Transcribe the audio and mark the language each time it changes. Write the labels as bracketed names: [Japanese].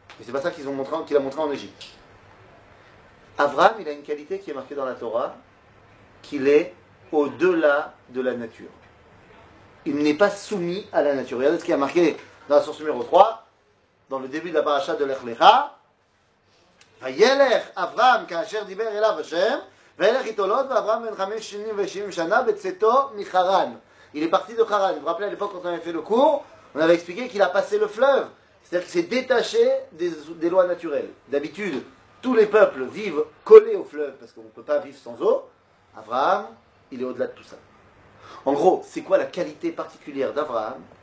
[French] Mais c'est pas ça qu'il a montré en Égypte. Abraham, il a une qualité qui est marquée dans la Torah, qu'il est au-delà de la nature. Il n'est pas soumis à la nature. Regardez ce qui a marqué dans la source numéro 3, dans le début de la paracha de l'Ech Lecha. [Hebrew] וילך אברהם כאשר דיבר אליו השם וילך איתו לוט ואברהם בן 50 שנה בצאתו מחרן. [French] Il est parti de Haran. Vous vous rappelez à l'époque quand on avait fait le cours, on avait expliqué qu'il a passé le fleuve. C'est-à-dire qu'il s'est détaché des lois naturelles. D'habitude, tous les peuples vivent collés au fleuve parce qu'on ne peut pas vivre sans eau. Abraham, il est au-delà de tout ça. En gros, c'est quoi la qualité particulière d'Abraham?